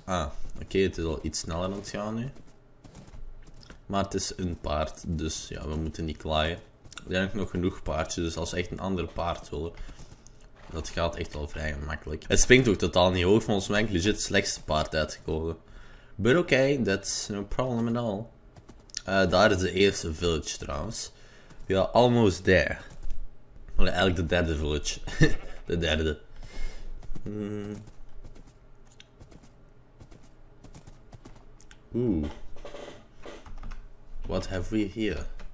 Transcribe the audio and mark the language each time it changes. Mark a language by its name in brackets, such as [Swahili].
[Dutch] Ah, okay, het is al iets sneller aan het gaan nu. Maar het is een paard, dus ja, we moeten niet klagen. Er zijn ook nog genoeg paardjes, dus als we echt een ander paard willen, dat gaat echt wel vrij gemakkelijk. Het springt ook totaal niet hoog, volgens mij is het legit het slechtste paard uitgekomen. [English] But okay, that's no problem at all. [Dutch] Daar is de eerste village trouwens. [English] We are almost there. [Dutch] Well, eigenlijk de derde village. De derde. [English] Oeh. What have we here?